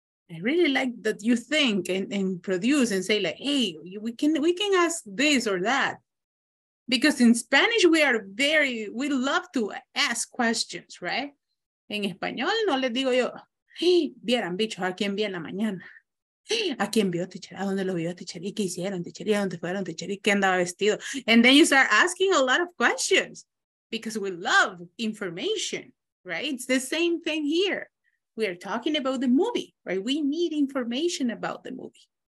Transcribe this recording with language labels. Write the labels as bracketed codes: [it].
[en] I really like that you think and produce and say like, hey, we can ask this or that. Because in Spanish, we love to ask questions, right? [es] En español no les digo yo, hey, vieran bicho, ¿a quién vi en la mañana? ¿A quién vio, teacher? ¿A dónde lo vio, teacher? ¿Y qué hicieron, teacher? ¿A dónde fueron, teacher? ¿Y qué andaba vestido? [en] And then you start asking a lot of questions because we love information, right? It's the same thing here. We are talking about the movie, right? We need information about the movie.